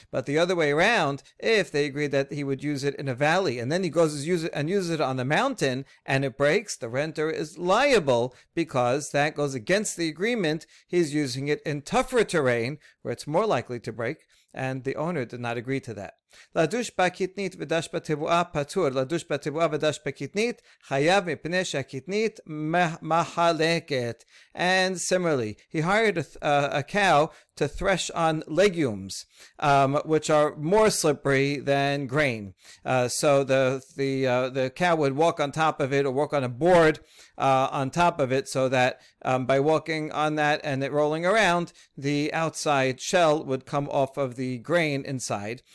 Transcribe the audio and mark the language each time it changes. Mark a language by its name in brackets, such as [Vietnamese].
[English] But the other way around, if they agreed that he would use it in a valley and then he goes uses it on the mountain and it breaks, the renter is liable, because that goes against the agreement. He's using it in tougher terrain where it's more likely to break, and the owner did not agree to that. [Hebrew] לדוש בקטנית ודש בתבואה פטור. לדוש בתבואה ודש בקטנית חייב מפני שהקטנית מחלקת. [English] And similarly, he hired a cow to thresh on legumes, which are more slippery than grain. So the cow would walk on top of it, or walk on a board on top of it, so that by walking on that and it rolling around, the outside shell would come off of the grain inside.